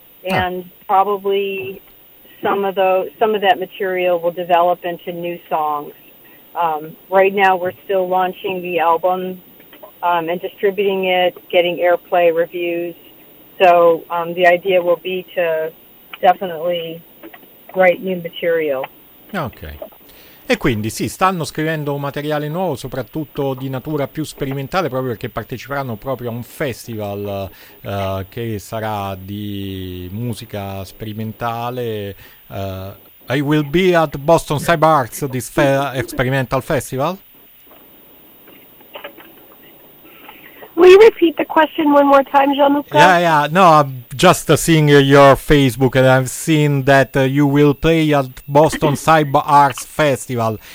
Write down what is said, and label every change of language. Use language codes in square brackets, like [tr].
[en] And probably some of that material will develop into new songs. Right now, we're still launching the album and distributing it, getting airplay, reviews. So the idea will be to definitely write new material. Okay. [it] E quindi sì, stanno scrivendo un materiale nuovo, soprattutto di natura più sperimentale, proprio perché parteciperanno proprio a un festival che sarà di musica sperimentale. [en] I will be at Boston Cyber Arts, this experimental festival. Will you repeat the question one more time, Jean-Luc? Yeah. No, I'm just seeing your Facebook, and I've seen that you will play at Boston Cyber Arts Festival.